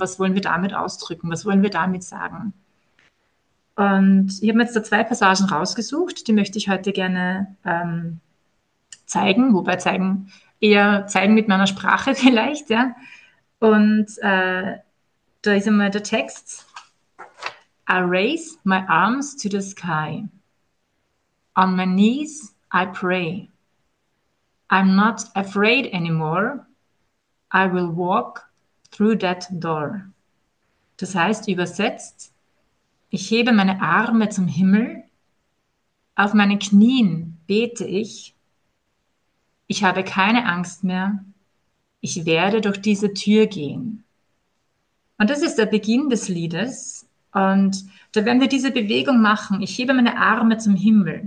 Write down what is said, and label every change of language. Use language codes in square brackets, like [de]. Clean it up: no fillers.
[de] Was wollen wir damit ausdrücken? Was wollen wir damit sagen? Und ich habe mir jetzt da zwei Passagen rausgesucht, die möchte ich heute gerne zeigen, wobei zeigen, eher zeigen mit meiner Sprache vielleicht, ja. Und da ist einmal der Text. [en] I raise my arms to the sky. On my knees I pray. I'm not afraid anymore. I will walk through that door. [de] Das heißt, übersetzt, ich hebe meine Arme zum Himmel, auf meinen Knien bete ich, ich habe keine Angst mehr, ich werde durch diese Tür gehen. Und das ist der Beginn des Liedes. Und da werden wir diese Bewegung machen, ich hebe meine Arme zum Himmel.